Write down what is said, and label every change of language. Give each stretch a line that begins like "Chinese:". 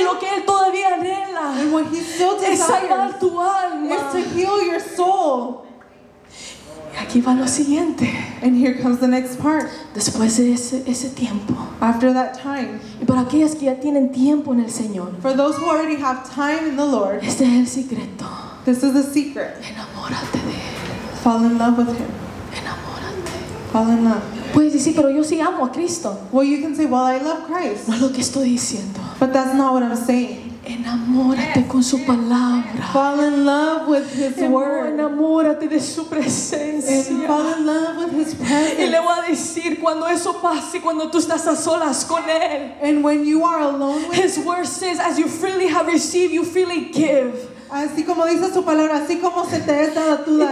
Spanish: y lo que él todavía anhela,
English: and what he still desires,
Spanish: es salvar tu alma,
English: is to heal your soul.
Spanish: Y aquí va lo siguiente.
English: And here comes the next part.
Spanish: Después de ese tiempo.
English: After that time.
Spanish: Y para aquellas que ya tienen tiempo en el Señor.
English: For those who already have time in the Lord.
Spanish: Este es el secreto.
English: This is the secret.
Spanish: Enamórate de él.
English: Fall in love with him.
Spanish: Enamórate.
English: Fall in love.
Spanish: Puedes decir, pero yo sí amo a Cristo.
English: Well, you can say, well, I love Christ.
Spanish: No es lo que estoy diciendo.
English: But that's not what I'm saying.
Spanish: Enamórate con su palabra.
English: Fall in love with his word.
Spanish: Enamórate de su presencia.
English: And fall in love with his presence.
Spanish: Y le voy a decir, cuando eso pase, cuando tú estás a solas con él.
English: And when you are alone with his word says, as you freely have received, you freely give.
Spanish: Así como dice su palabra, así como se te es dado, tú darás.